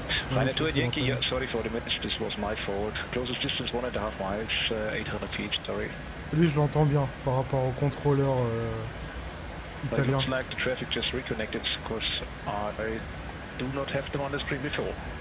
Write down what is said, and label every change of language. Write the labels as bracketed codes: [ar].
[en] Rhino 2 at Yankee, yeah, sorry for the miss, this was my fault. Closest distance 1.5 miles, 800 feet, sorry. [fr] Lui je l'entends bien par rapport au contrôleur italien. [en] It looks like the traffic just reconnected because I do not have them on the screen before.